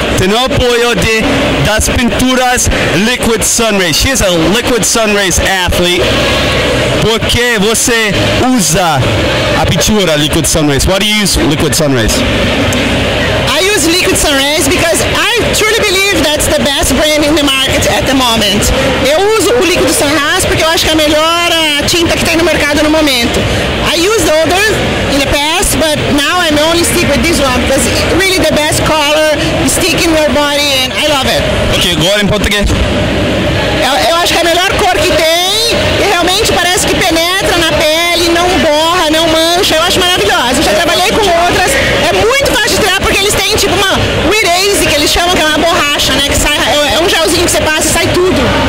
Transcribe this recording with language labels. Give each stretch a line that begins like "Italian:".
Portuguese: Tem o apoio de das pinturas Liquid Sunrays.
English: She is a Liquid Sunrays athlete.
Portuguese: Por que você usa a pintura Liquid Sunrays?
English: Why do you use Liquid Sunrays? I use Liquid Sunrays because I truly believe that's the best brand in the market at the moment.
Portuguese: Eu uso o Liquid Sunrays porque eu acho que é a melhor tinta que tem no mercado no momento.
English: I used other in the past, but now I'm only stick with this one because it's really the best color, stick in your body and I love it.
Portuguese: Ok, agora em português. Eu acho que é a melhor cor que tem e realmente parece que penetra na pele, não borra, não mancha. Eu acho maravilhosa. Eu já trabalhei com outras. É muito fácil de tirar porque eles têm tipo uma erase que eles chamam, que é uma borracha, né? Que sai, é um gelzinho que você passa e sai tudo.